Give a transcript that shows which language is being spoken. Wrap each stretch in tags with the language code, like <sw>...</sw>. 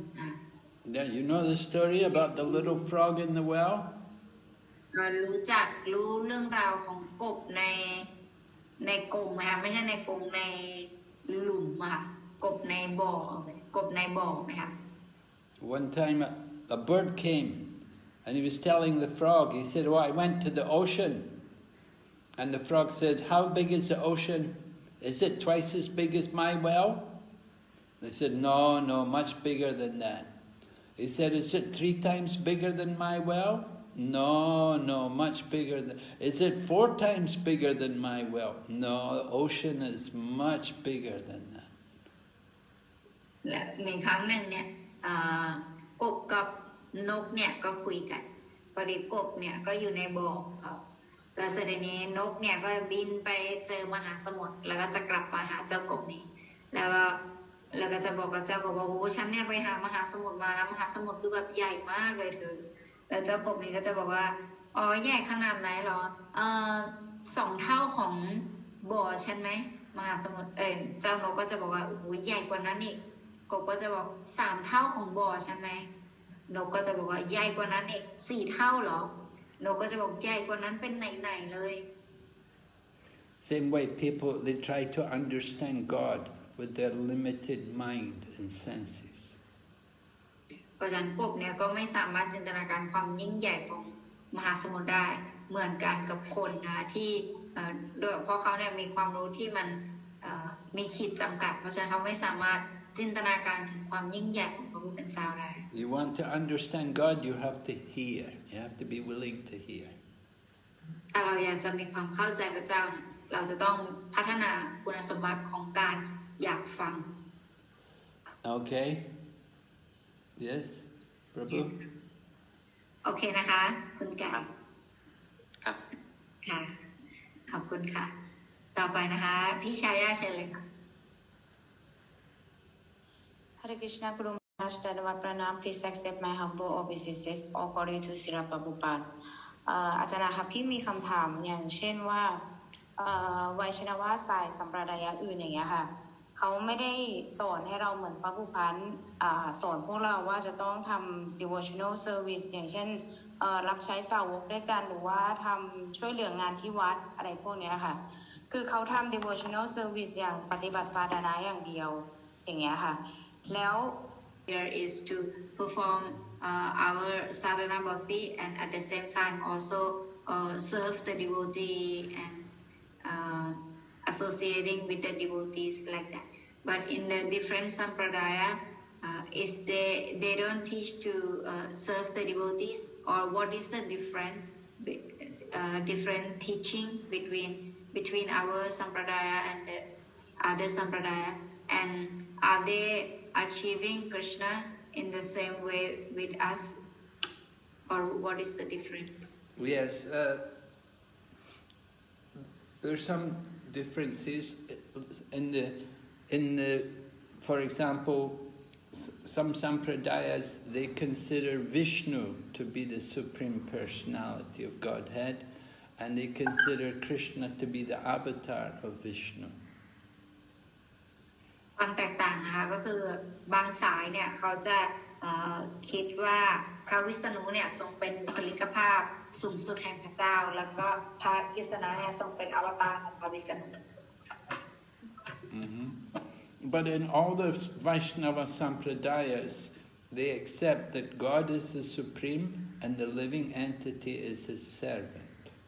<en>นะ Yeah, you know the story about the little frog in the well?</en> <th>รู้จักรู้เรื่องราวของกบในกรงมั้ยคะไม่ใช่ในกรงในหลุมอ่ะกบในบ่อกบในบ่อมั้ยคะ</th> <en>One time a bird cameAnd he was telling the frog, he said, well, I went to the ocean. And the frog said, how big is the ocean? Is it twice as big as my well? They said, no, much bigger than that. He said, is it three times bigger than my well? No, much bigger than... Is it four times bigger than my well? No, the ocean is much bigger than that.</en> <th>และมีครั้งหนึ่งเนี่ยกบกับนกเนี่ยก็คุยกันปริกบเนี่ยก็อยู่ในบ่อครับแต่เสด็จนี้นกเนี่ยก็บินไปเจอมหาสมุทรแล้วก็จะกลับมาหาเจ้ากบนี่แล้วก็จะบอกกับเจ้ากบว่าโอ้ฉันเนี่ยไปหามหาสมุทรมาแล้วมหาสมุทรดูแบบใหญ่มากเลยเธอแล้วเจ้ากบนี่ก็จะบอกว่าอ๋อใหญ่ขนาดไหนหรอ สองเท่าของบ่อฉันไหมมหาสมุทรเออเจ้านกก็จะบอกว่าโอ้ใหญ่กว่านั้นอีกกบก็จะบอกสามเท่าของบ่อฉันไหมนกก็จะบอกว่าใหญ่กว่านั้นอีก4เท่าหรอนกก็จะบอกใหญ่กว่านั้นเป็นไหนๆเลย</th> <en>Same way people they try to understand God with their limited mind and senses</en> <th>เพราะฉะนั้นพวกเนี่ยก็ไม่สามารถจินตนาการความยิ่งใหญ่ของมหาสมุทรได้เหมือนกันกับคนนะที่โดยเพราะเขาเนี่ยมีความรู้ที่มันมีขีดจำกัดเพราะฉะนั้นเขาไม่สามารถจินตนาการถึงความยิ่งใหญ่ของพระผู้เป็นเจ้าได้</th> <en>You want to understand God you have to hear you have to be willing to hear</en> <th>ถ้าเราอยากจะมีความเข้าใจพระเจ้าเราจะต้องพัฒนาคุณสมบัติของการอยากฟัง</th> <en>Okay Yes Prabhu yes.</en> <th>Okay นะคะคุณกา ครับ ค่ะขอบคุณค่ะต่อไปนะคะพี่ชายาเชิญเลยค่ะ</th> <en>Hare Krishna Guru Maharaj Dhanavad Pranam, please accept my humble obeisances according to Srila Prabhupada.</en> <th>อาจารย์ครับพี่มีคำถามอย่างเช่นว่าไวชนวาสายสัมปรายะอื่นอย่างเงี้ยค่ะเขาไม่ได้สอนให้เราเหมือนพระผู้พันสอนพวกเราว่าจะต้องทำ</th> <en>devotional service</en> <th>อย่างเช่นรับใช้สาวกด้วยกันหรือว่าทำช่วยเหลืองานที่วัดอะไรพวกเนี้ยค่ะคือเขาทำ devotional service อย่างปฏิบัติสาธารณะอย่างเดียวอย่างเงี้ยค่ะแล้ว</th> <en>there is to perform our sadhana bhakti and at the same time also serve the devotee and associating with the devotees like that but in the different sampradaya is they don't teach to serve the devotees or what is the different teaching between our sampradaya and the other sampradaya and are theyachieving Krishna in the same way with us or what is the difference yes there's some differences in the for example some sampradayas they consider Vishnu to be the supreme personality of Godhead and they consider Krishna to be the avatar of Vishnu</en> <th>ความแตกต่างนะคะก็คือบางสายเนี่ยเขาจะคิดว่าพระวิษณุเนี่ยทรงเป็นบุคลิกภาพสูงสุดแห่งพระเจ้าแล้วก็พระกฤษณะเนี่ยทรงเป็นอวตารของพระวิษณุ</th> <en>But in all the Vaishnava sampradayas they accept that God is the supreme and the living entity is his servant</en>